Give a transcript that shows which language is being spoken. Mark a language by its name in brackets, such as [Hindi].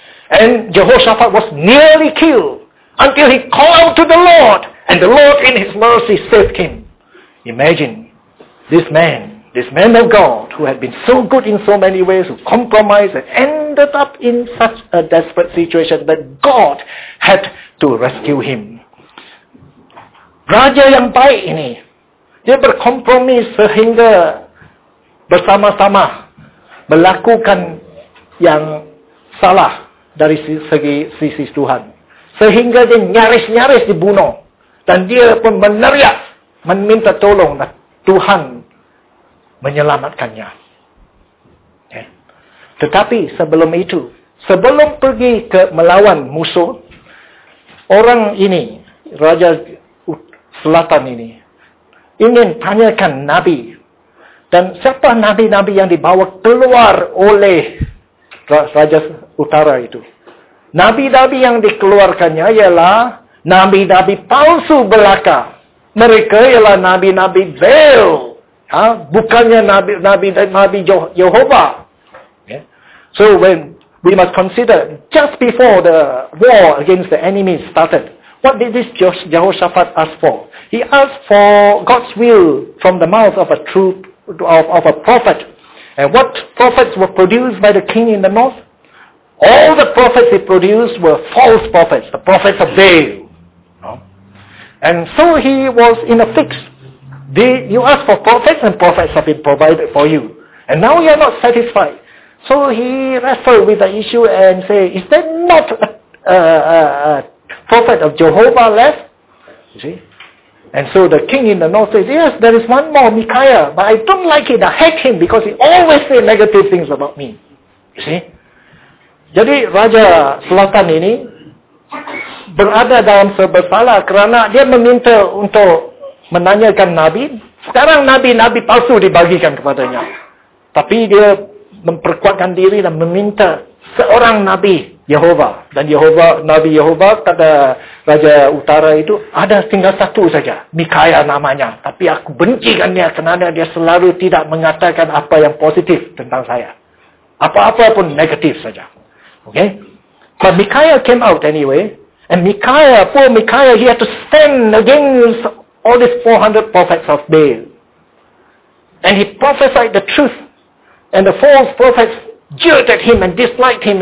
[English] And Jehoshaphat was nearly killed until he called to the Lord, and the Lord in his mercy saved him. Imagine this man of God, who had been so good in so many ways, who compromised and ended up in such a desperate situation that God had to rescue him. [Malay] Raja yang baik ini, dia berkompromis sehingga bersama-sama melakukan yang salah dari segi sisi Tuhan. Sehingga dia nyaris-nyaris dibunuh. Dan dia pun meneriak, meminta tolong Tuhan menyelamatkannya. Okay. Tetapi sebelum itu, sebelum pergi ke melawan musuh, orang ini, Raja Selatan ini, ingin tanyakan Nabi. Dan siapa Nabi-Nabi yang dibawa keluar oleh Raja Utara itu? Nabi-Nabi yang dikeluarkannya ialah Nabi-Nabi palsu belaka. Mereka ialah Nabi-Nabi Baal. Ha? Bukannya Nabi-Nabi Yehovah. Yeah. [English] So when we must consider, just before the war against the enemies started, what did this Jehoshaphat ask for? He asked for God's will from the mouth of a troop, of a prophet. And what prophets were produced by the king in the north? All the prophets he produced were false prophets, the prophets of Baal. And so he was in a fix. You ask for prophets, and prophets have been provided for you. And now you are not satisfied. So he wrestled with the issue and say, is there not a prophet of Jehovah left? You see? And so the king in the north says, yes, there is one more, Micaiah, but I don't like it. I hate him because he always say negative things about me. You see? [Malay] Jadi Raja Selatan ini berada dalam sebersalah kerana dia meminta untuk menanyakan Nabi. Sekarang Nabi-Nabi palsu dibagikan kepadanya. Tapi dia memperkuatkan diri dan meminta seorang Nabi, Yehovah. Dan Yehovah, Nabi Yehovah pada Raja Utara itu ada tinggal satu saja, Mikaya namanya. Tapi aku bencikan dia kerana dia selalu tidak mengatakan apa yang positif tentang saya. Apa-apa pun negatif saja. Okay? [English] But Mikaya came out anyway. And Mikaya, poor Mikaya, he had to stand against all these 400 prophets of Baal. And he prophesied the truth. And the false prophets jeered at him and disliked him.